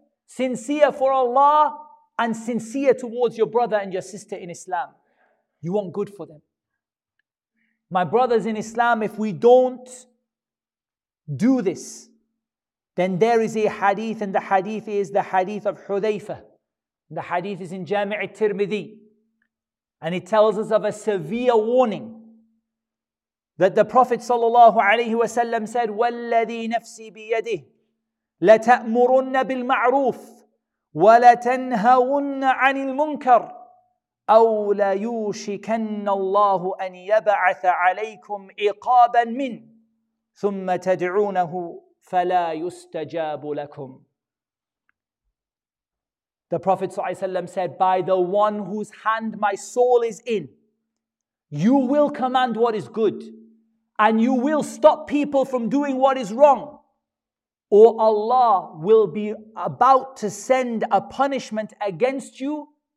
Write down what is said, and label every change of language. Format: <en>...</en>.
<en>Sincere for Allah and sincere towards your brother and your sister in Islam. You want good for them. My brothers in Islam, if we don't do this, then there is a hadith, and the hadith is the hadith of Hudhayfa. The hadith is in Jami' al-Tirmidhi.</en> <ar>And it tells us of a severe warning that the Prophet sallallahu alayhi wa sallam said, وَالَّذِي نَفْسِي بِيَدِهِ لَتَأْمُرُنَّ بِالْمَعْرُوفِ وَلَتَنْهَوُنَّ عَنِ الْمُنْكَرِ أَوْ لَيُوشِكَنَّ اللَّهُ أَنْ يَبَعَثَ عَلَيْكُمْ إِقَابًا مِنْ ثُمَّ تَدْعُونَهُ فَلَا يُسْتَجَابُ لَكُمْ.</ar> <en>The Prophet ﷺ said, by the one whose hand my soul is in, you will command what is good and you will stop people from doing what is wrong, or Allah will be about to send a punishment against you.</en>